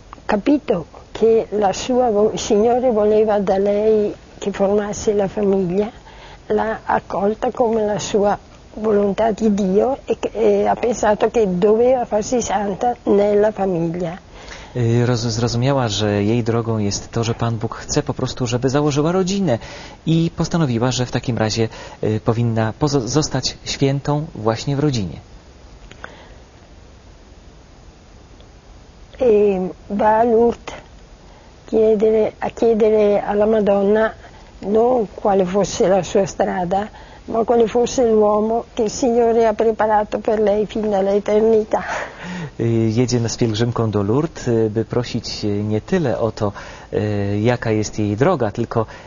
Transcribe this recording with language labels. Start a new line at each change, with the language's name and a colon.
Italian: Capito che la sua Signore voleva da lei che formasse la famiglia, l'ha accolta come la sua volontà di Dio e ha pensato che doveva farsi santa nella famiglia.
Polish: Zrozumiała, że jej drogą jest to, że Pan Bóg chce po prostu, żeby założyła rodzinę i postanowiła, że w takim razie powinna zostać świętą właśnie w rodzinie.
Italian: E va a Lourdes a chiedere alla Madonna non quale fosse la sua strada, ma quale fosse l'uomo che il Signore ha preparato per lei fin dall'eternità.
Polish: Jedzie z pielgrzymką do Lourdes, by prosić nie tyle o to, jaka jest jej droga, tylko